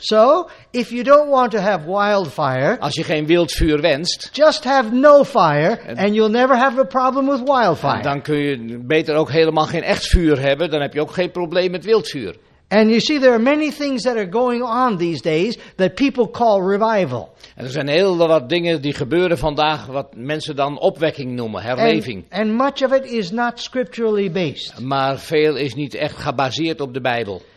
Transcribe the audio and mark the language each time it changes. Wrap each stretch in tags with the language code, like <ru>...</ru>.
<en>So, if you don't want to have wildfire,</en> <nl>als je geen wild vuur wenst,</nl> <en>just have no fire and you'll never have a problem with wildfire.</en> <nl>Dan kun je beter ook helemaal geen echt vuur hebben, dan heb je ook geen probleem met wild vuur.</nl> <en>And you see, there are many things that are going on these days that people call revival.</en> <nl>En er zijn heel wat dingen die gebeuren vandaag wat mensen dan opwekking noemen, herleving.</nl> <en>And much of it is not scripturally based.</en> <nl>Maar veel is niet echt gebaseerd op de Bijbel.</nl>